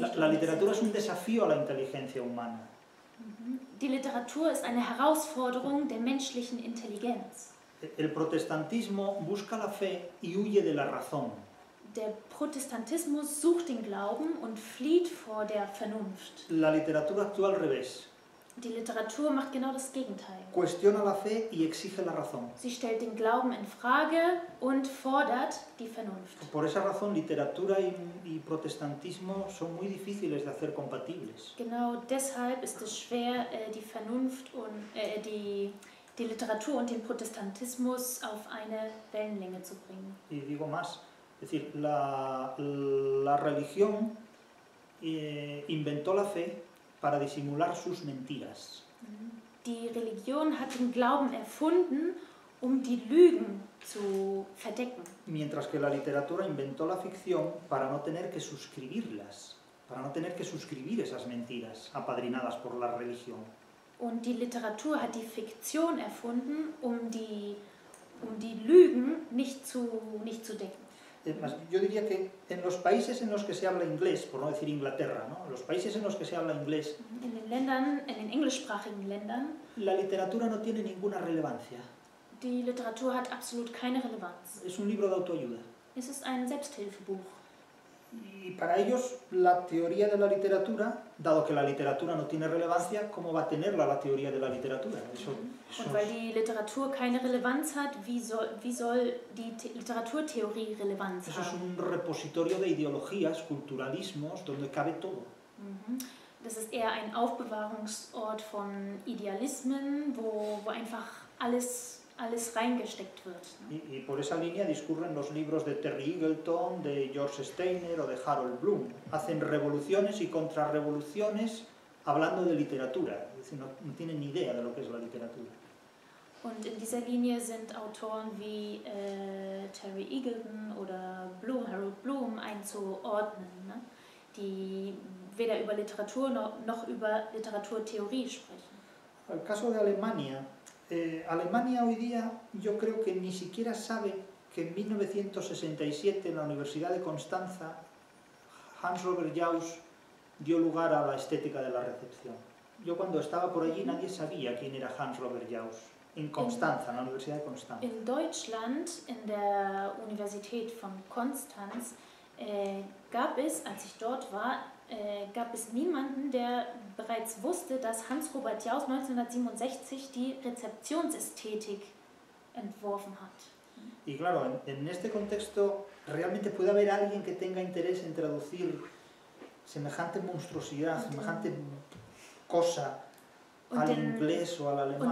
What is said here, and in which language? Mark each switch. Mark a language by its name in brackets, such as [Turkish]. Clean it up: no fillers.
[Spanish] La literatura es un desafío a la inteligencia humana. [German] Die Literatur ist eine Herausforderung der menschlichen Intelligenz. [Spanish] El protestantismo busca la fe y huye de la razón. [German] Der Protestantismus sucht den Glauben und flieht vor der Vernunft. [Spanish] La literatura actúa al revés. [German] Die Literatur macht genau das Gegenteil. [Spanish] Cuestiona la fe y exige la razón. [German] Sie stellt den Glauben in Frage und fordert die Vernunft. [Spanish] Por esa razón, literatura y protestantismo son muy difíciles de hacer compatibles. [German] Genau deshalb ist es schwer, die Vernunft und die Literatur und den Protestantismus auf eine Wellenlänge zu bringen. [Spanish] Y digo más. Es decir, la religión inventó la fe para disimular sus mentiras. [German] Die Religion hat den Glauben erfunden, um die Lügen zu verdecken. [Spanish] Mientras que la literatura inventó la ficción para no tener que suscribirlas, para no tener que suscribir esas mentiras apadrinadas por la religión. [German] Und die Literatur hat die Fiktion erfunden, um die Lügen nicht zu decken. [Spanish] Yo diría que en los países en los que se habla inglés, por no decir Inglaterra, ¿no? Los países en los que se habla inglés, [German] en englischsprachigen Ländern, [Spanish] la literatura no tiene ninguna relevancia. [German] Die Literatur hat absolut keine Relevanz. [Spanish] Es un libro de autoayuda. [German] Es un Selbsthilfebuch. [Spanish] Y para ellos, la teoría de la literatura, dado que la literatura no tiene relevancia, ¿cómo va a tenerla la teoría de la literatura? [German] Und weil die Literatur keine Relevanz hat, wie soll die Literaturtheorie Relevanz haben? [Spanish] Eso es un repositorio de ideologías, culturalismos, donde cabe todo. [German] Das ist eher ein Aufbewahrungsort von Idealismen, wo einfach alles reingesteckt wird. [Spanish] Y por esa línea discurren los libros de Terry Eagleton, de George Steiner o de Harold Bloom. Hacen revoluciones y contrarrevoluciones hablando de literatura. Es decir, no tienen ni idea de lo que es la literatura. [German] Und in dieser Linie sind Autoren wie Terry Eagleton oder Bloom, Harold Bloom einzuordnen, ne? Die weder über Literatur noch über Literaturtheorie sprechen. [Spanish] El caso de Alemania. Alemania hoy día yo creo que ni siquiera sabe que en 1967 en la Universidad de Constanza Hans-Robert Jauss dio lugar a la estética de la recepción. Yo cuando estaba por allí nadie sabía quién era Hans-Robert Jauss en Constanza, en la Universidad de Constanza. [German] En Deutschland, [Spanish] en la [German] Universität von Konstanz, gab es, als ich dort war, gab es niemanden, der bereits wusste, dass Hans-Robert Jauss 1967 die Rezeptionsästhetik entworfen hat. [Spanish] Y claro, en este contexto realmente puede haber alguien que tenga interés en traducir semejante monstruosidad, semejante cosa al inglés o al alemán.